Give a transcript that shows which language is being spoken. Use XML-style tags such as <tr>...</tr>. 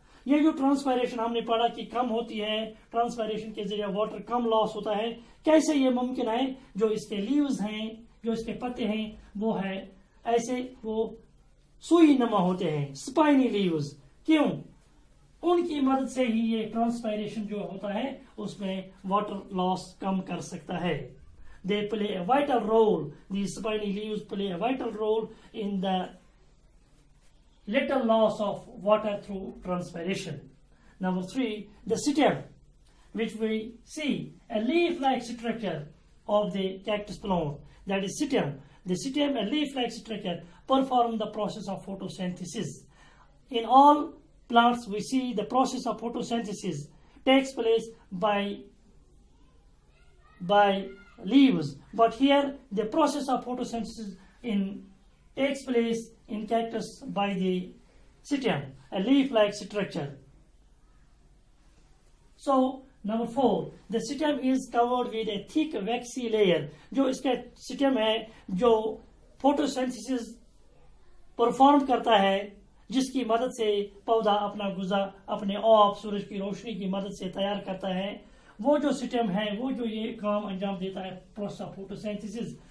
<ur>یہ جو ٹرانسپائریشن ہم نے پڑھا کہ کم ہوتی ہے، ٹرانسپائریشن کے ذریعے واٹر کم لاس ہوتا ہے، کیسے یہ ممکن ہے؟ جو اس کے لیوز ہیں، جو اس کے پتے ہیں، وہ ہے ایسے، وہ سوئی نما ہوتے ہیں، اسپائنی لیوز. کیوں؟ ان کی مدد سے ہی یہ ٹرانسپائریشن جو ہوتا ہے اس میں واٹر لاس کم کر سکتا ہے.</ur> <en>They play a vital role, the spiny leaves play a vital role in the little loss of water through transpiration. Number 3، the stem which we see a leaf like structure of the cactus plant. That is stem. The stem, a leaf-like structure, perform the process of photosynthesis. In all plants, we see the process of photosynthesis takes place by leaves. But here, the process of photosynthesis takes place in cactus by the stem, a leaf-like structure. So, number 4، the stem is covered with a thick waxy layer.</en> <ur>جو اس کا steam ہے جو photo سینتھسز perform کرتا ہے، جس کی مدد سے پودا اپنا غذا اپنے آپ سورج کی روشنی کی مدد سے تیار کرتا ہے، وہ جو سٹیم ہے وہ جو یہ کام انجام دیتا ہے پروسیس آف فوٹو سینتھسز.</ur>